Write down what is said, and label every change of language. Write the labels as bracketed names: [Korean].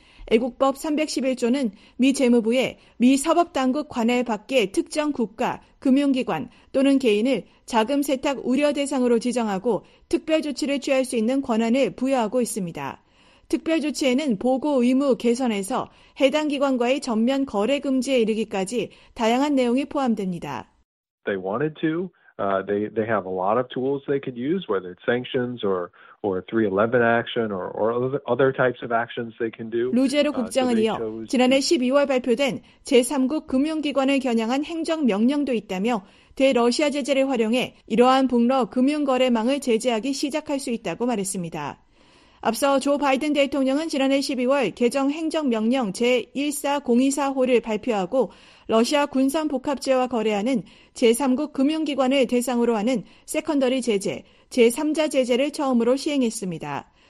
[Korean] 애국법 311조는 미 재무부에 미 사법당국 관할 밖의 특정 국가, 금융기관 또는 개인을 자금 세탁 우려 대상으로 지정하고 특별 조치를 취할 수 있는 권한을 부여하고 있습니다. 특별 조치에는 보고 의무 개선에서 해당 기관과의 전면 거래 금지에 이르기까지 다양한 내용이 포함됩니다. [English] They wanted to. They have a lot of tools they could use, whether it's sanctions or 311 action or other types of actions they can do. [Korean] 루제로 국장은 이어 지난해 12월 발표된 제3국 금융기관을 겨냥한 행정명령도 있다며 대러시아 제재를 활용해 이러한 북러 금융거래망을 제재하기 시작할 수 있다고 말했습니다. 앞서 조 바이든 대통령은 지난해 12월 개정 행정명령 제14024호를 발표하고 러시아 군산 복합재와 거래하는 제3국 금융기관을 대상으로 하는 세컨더리 제재, 제3자 제재를 처음으로 시행했습니다.